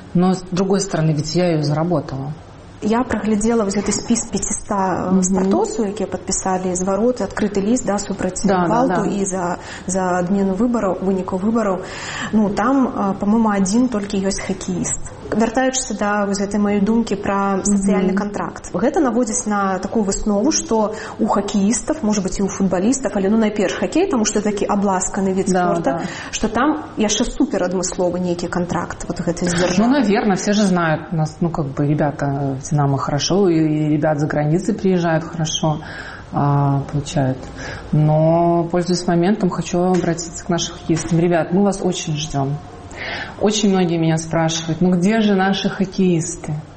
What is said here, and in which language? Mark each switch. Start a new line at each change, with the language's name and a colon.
Russian: Но с другой стороны, ведь я ее заработала. Я проглядела вот этот список 500 стартосов, которые подписали из ворот, открытый лист, да, супротив Валту и за отмену выборов, выников выборов. Ну, там, по-моему, один только есть хоккеист.
Belarusian: вяртаючыся да вось гэтай маёй думкі пра сацыяльны контракт. Гэта наводзіць на такую выснову, што у хакеістаў, можа быць, і ў футбалістаў, але ну найперш хакей, таму што такі абласканы від спорта, што там яшчэ супер адмысловы нейкі контракт, вот гэты з дзяржавы.
Russian: Ну, наверно, все же знают нас, ну как бы, ребята, Динамо хорошо, и ребят за границей приезжают хорошо. Получают. Но, пользуясь моментом, хочу обратиться к нашим хоккеистам. Ребят, мы вас очень ждем. Очень многие меня спрашивают, ну где же наши хоккеисты?